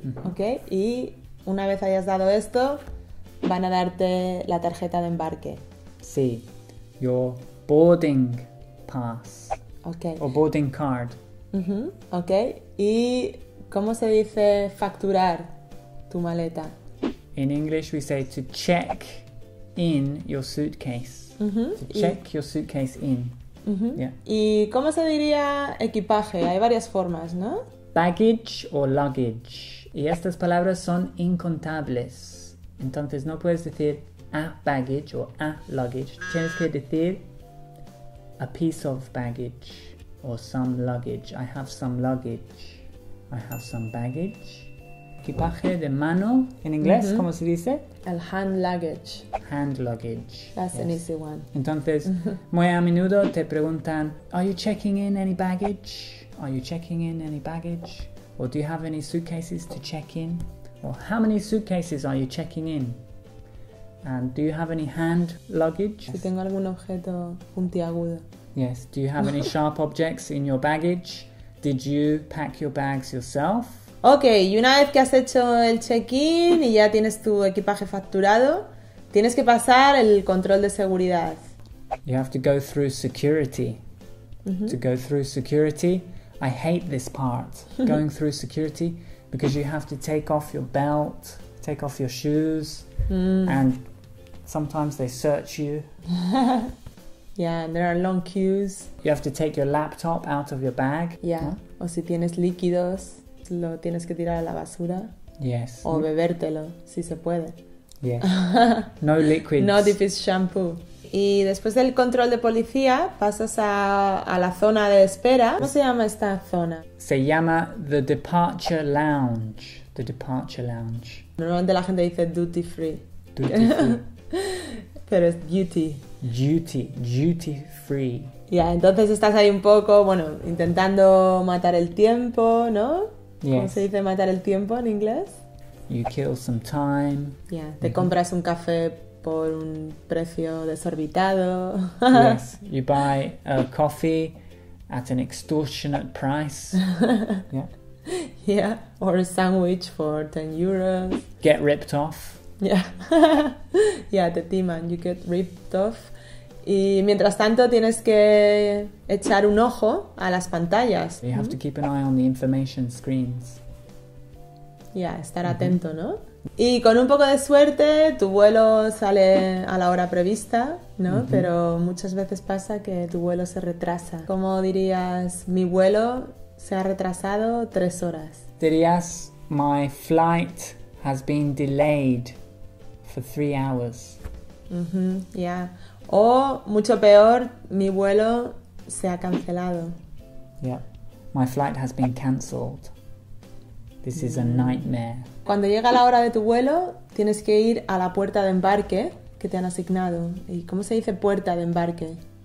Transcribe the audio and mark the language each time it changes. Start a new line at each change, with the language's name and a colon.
Spanish: Okay, y una vez hayas dado esto, van a darte la tarjeta de embarque. Sí,
English: your boarding pass. Okay. Or boarding card.
Spanish: Ok, ¿y cómo se dice facturar tu maleta?
English: In English we say to check in your suitcase. To check your suitcase in. Yeah.
Spanish: ¿Y cómo se diría equipaje? Hay varias formas, ¿no? Baggage o luggage. Y estas palabras son incontables. Entonces no puedes decir
English: a baggage
Spanish: o
English: a luggage.
Spanish: Tienes que decir
English: a piece of baggage. Or some luggage. I have some luggage. I have some baggage.
Spanish: Equipaje de mano.
English: In English,
Spanish: ¿cómo se dice? El
English: hand luggage. Hand luggage. That's an easy one.
Spanish: Entonces, muy a menudo te preguntan,
English: are you checking in any baggage? Are you checking in any baggage? Or do you have any suitcases to check in? Or how many suitcases are you checking in? And do you have any hand luggage?
Spanish: Si tengo algún objeto puntiagudo.
English: Yes, do you have any sharp objects in your baggage? Did you pack your bags yourself?
Spanish: Okay, y una vez que has hecho el check-in y ya tienes tu equipaje facturado, tienes que pasar el control de seguridad.
English: You have to go through security. To go through security, I hate this part. Going through security because you have to take off your belt, take off your shoes, and sometimes they search you. Yeah, and there are long queues. You have to take your laptop out of your bag. Yeah, huh?
Spanish: O si tienes líquidos, lo tienes que tirar a la basura.
English: Yes.
Spanish: O bebértelo, si se puede.
English: Yes. No liquids. Not if it's shampoo.
Spanish: Y después del control de policía, pasas a la zona de espera. ¿Cómo se llama esta zona? Se llama
English: the departure lounge. The departure lounge.
Spanish: Normalmente la gente dice duty free.
English: Duty free.
Spanish: Pero es duty.
English: Duty, duty free. Yeah,
Spanish: entonces estás ahí un poco, bueno, intentando matar el tiempo, ¿no?
English: Yes.
Spanish: ¿Cómo se dice matar el tiempo en inglés?
English: You kill some time. Yeah,
Spanish: te compras un café por un precio desorbitado.
English: Yes, you buy a coffee at an extortionate price. Yeah. Yeah, or a sandwich for 10 euros. Get ripped off. Yeah. Yeah, the demon, you get ripped off.
Spanish: Y mientras tanto tienes que echar un ojo a las pantallas.
English: You have to keep an eye on the information screens. Yeah,
Spanish: estar atento, ¿no? Y con un poco de suerte tu vuelo sale a la hora prevista, ¿no? Pero muchas veces pasa que tu vuelo se retrasa. ¿Cómo dirías mi vuelo se ha retrasado 3 horas? Dirías
English: my flight has been delayed for 3 hours. Yeah.
Spanish: O mucho peor, mi vuelo se ha cancelado.
English: Yeah. My flight has been cancelled. This is a nightmare.
Spanish: Cuando llega la hora de tu vuelo, tienes que ir a la puerta de embarque, que que te han asignado. ¿Y cómo se dice puerta de embarque?